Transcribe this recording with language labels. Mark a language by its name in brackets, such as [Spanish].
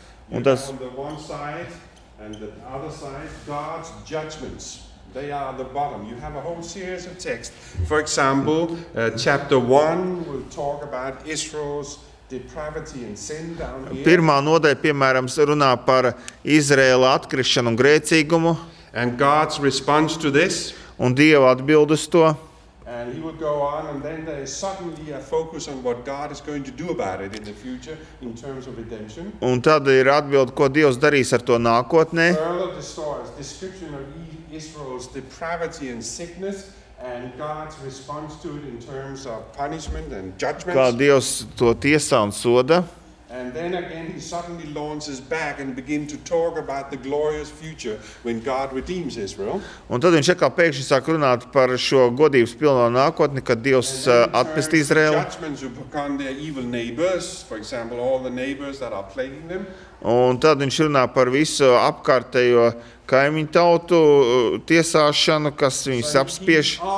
[Latvian] Un tas [English] on the one side and the other side God's judgments. They are the bottom. You have a whole series of texts. For example, chapter 1 will talk about Israel's depravity and sin down here. [Latvian] Pirmā nodaļa, piemēram, runā par Izraēla atkrišanu un grēcīgumu. [English] And God's response to this. [Latvian] Un Dieva atbild uz to. [English] And he would go on and then there is suddenly a focus on what God is going to do about it in the future in terms of redemption. [Latvian] Un tad ir atbild, ko Dievs darīs ar to nākotnē. [English] Further the story's description of Israel's depravity and sickness. And God's response to it in terms of punishment and judgments. [Latvian] Kā Dievs to tiesā un soda. [English] And then again he suddenly launches back and begins to talk about the glorious future when God redeems Israel. [Latvian] Un tad viņš atkal pēkšņi sāk runāt par šo godības pilno nākotni, kad Dievs atpestī Izraēlu. [English] Judgments upon their evil neighbors, for example, all the neighbors that are plaguing them. [Latvian] Un tad viņš runā par visu apkārtējo kaimiņu tautu tiesāšanu, kas viņus apspiež.